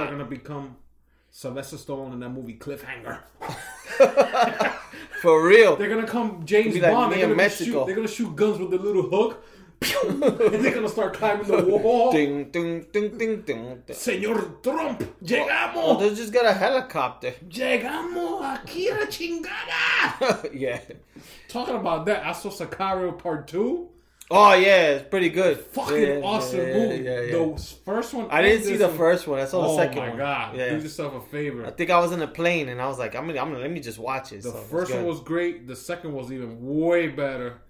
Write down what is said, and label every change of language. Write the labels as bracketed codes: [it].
[en] These guys are going to become Sylvester Stallone in that movie Cliffhanger. For real. They're going to come James Bond. Like me they're going to shoot guns with the little hook. Is it gonna start climbing the wall? Ding, ding, ding, ding, ding, ding. [es] Señor Trump, llegamos. Oh, [en] they just got a helicopter. [es] Llegamos aquí a chingada. [en] Yeah. Talking about that, I saw Sicario Part 2. Oh, yeah, it's pretty good. Fucking awesome movie. Yeah, yeah. The first one. I didn't see the first one. I saw the second one. Oh, my God. Yeah. Do yourself a favor. I think I was in a plane, and I was like, let me just watch it. The first one was great. The second was even way better.